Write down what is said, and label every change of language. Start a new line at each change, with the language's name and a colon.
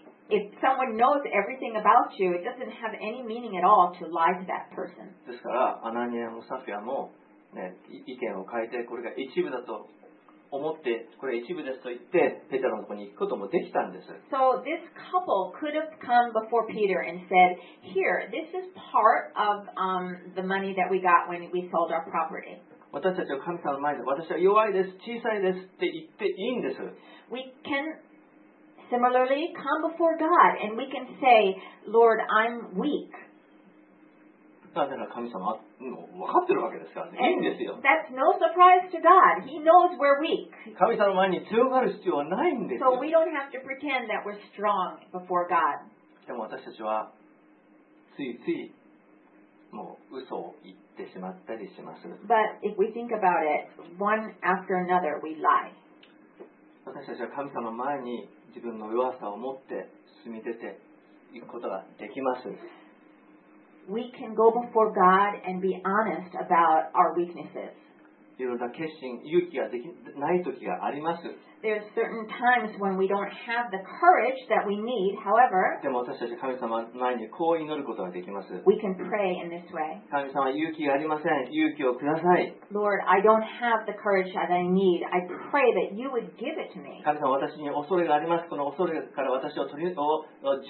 English: If someone knows everything about you, it doesn't have any meaning at all to lie to that person.
Japanese: ですから、アナニアもサフィアもね、意見を変えてこれが一部だと思ってこれ一部ですと言ってペテロのところに行くこともできたんです。
English: So this couple could have come before Peter and said, "Here, this is part of the money that we got when we sold our property."
Japanese: 私たちは神様の前で私は弱いです、小さいですって言っていいんです。
English: We can similarly come before God and we can say, "Lord, I'm weak."
Japanese: なぜなら神様もう分かってるわけですからね。いいんですよ。
English: That's no surprise to God. He knows we're weak.
Japanese: 神様の前に強がる必要はないんですよ。
English: So we don't have to pretend that we're strong before God.
Japanese: でも私たちはついついもう嘘を言ってしまったりします。
English: But if we think about it, one after another, we lie.
Japanese: 私たちは神様の前に自分の弱さを持って進み出ていくことができます。
English: We can go before God and be honest about our weaknesses.
Japanese: いろんな決心、勇気ができない時があります。
English: There are certain times when we don't have the courage that we need, however,
Japanese: でも私たち神様前にこう祈ることができます。
English: We can pray in this way.
Japanese: 神様、勇気がありません。勇気をください。
English: Lord, I don't have the courage that I need. I pray that you would give it to me.
Japanese: 神様、私に恐れがあります。この恐れから私を取り除く。